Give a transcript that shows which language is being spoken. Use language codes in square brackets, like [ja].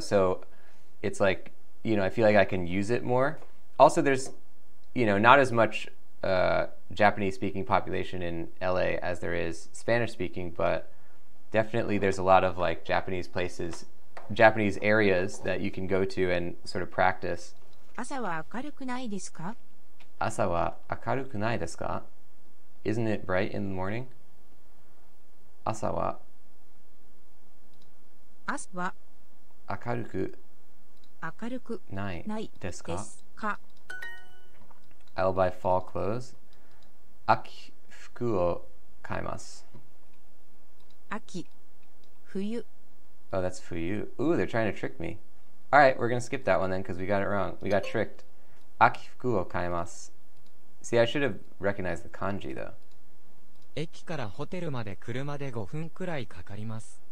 [en] So it's like... You know, I feel like I can use it more. Also, there's, you know, not as much Japanese-speaking population in LA as there is Spanish-speaking, but definitely there's a lot of, like, Japanese places, Japanese areas that you can go to and sort of practice. [ja] 朝は明るくないですか? 朝は明るくないですか? [en] Isn't it bright in the morning? [ja] 朝は明るく明るくないですか? [en] I'll buy fall clothes. [ja] 秋服を買います。秋、冬 [en] Oh, that's for you. Ooh, they're trying to trick me. All right, we're going to skip that one then because we got it wrong. We got tricked. [ja] 秋服を買います。 [en] See, I should have recognized the kanji though. [ja] 駅からホテルまで車で5分くらいかかります。